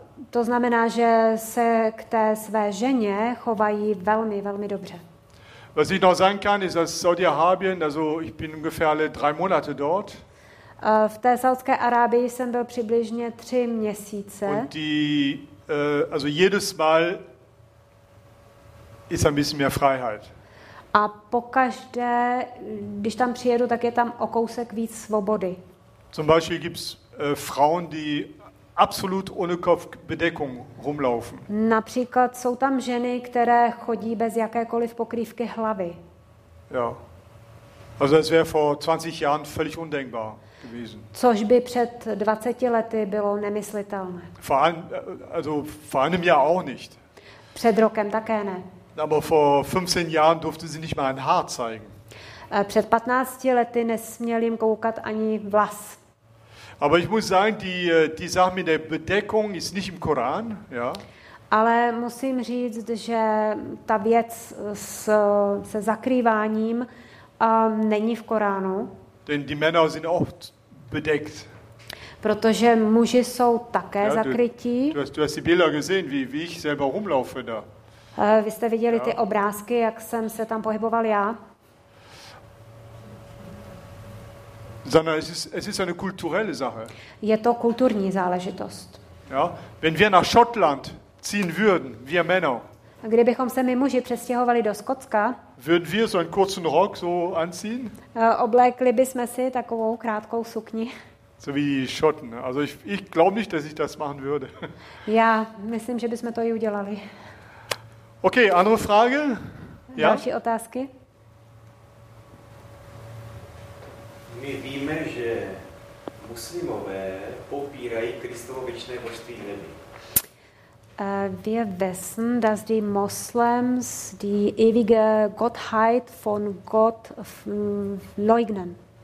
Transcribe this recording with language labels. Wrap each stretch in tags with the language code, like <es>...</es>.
<cs>To znamená, že se k té své ženě chovají velmi, velmi dobře.</cs> <de>Was ich noch sagen kann, ist, dass Saudi-Arabien, also ich bin ungefähr alle 3 Monate dort.</de> <cs>V té Saudské Arábii jsem byl přibližně 3 měsíce.</cs> <de>Und die, also jedes Mal ist ein bisschen mehr Freiheit.</de> <cs>A pokaždé, když tam přijedu, tak je tam o kousek víc svobody.</cs> <de>Zum Beispiel gibt's Frauen, die absolut ohne Kopfbedeckung rumlaufen.</de> <cs>Například jsou tam ženy, které chodí bez jakékoliv pokrývky hlavy.</cs> <de>Ja. Also das wäre vor 20 Jahren völlig undenkbar gewesen.</de> <cs>Což by před 20 lety bylo nemyslitelné.</cs> <de>Vor einem Jahr auch nicht.</de> <cs>Před rokem také ne.</cs> <de>Aber vor 15 Jahren durfte sie nicht mal ein Haar zeigen.</de> <cs>Před 15 lety nesměl jim koukat ani vlas.</cs> <de>Aber ich muss sagen, die Sache mit der Bedeckung ist nicht im Koran, ja.</de> <cs>Ale musím říct, že ta věc se zakrýváním není v Koránu.</cs> <de>Denn die Männer sind oft bedeckt.</de> <cs>Protože muži jsou také ja, zakrytí.</cs> <de>Du hast die Bilder gesehen, wie ich selber rumlaufe da.</de> <cs>Vy jste viděli ja. Ty obrázky, jak jsem se tam pohyboval já.</cs> <de>sondern es ist eine kulturelle Sache.</de> <cs>Je to kulturní záležitost.</cs> <de>Ja, wenn wir nach Schottland ziehen würden, wir Männer.</de> <cs>A kdybychom se my muži přestěhovali do Skotska,</cs> <de>würden wir so einen kurzen Rock so anziehen?</de> <cs>Oblékli bychom si takovou krátkou sukni.</cs> <de>So wie die Schotten. Also ich glaube nicht, dass ich das machen würde.</de> <cs>Já, myslím, že bychom to i udělali.</cs> <de>Okay, andere Frage?</de> <cs>Další ja? Otázky? My víme, že muslimové popírají Kristovo věčné božství nebi.</cs> <de>Wir wissen, dass die Moslems die ewige Gottheit von Gott verleugnen.</de>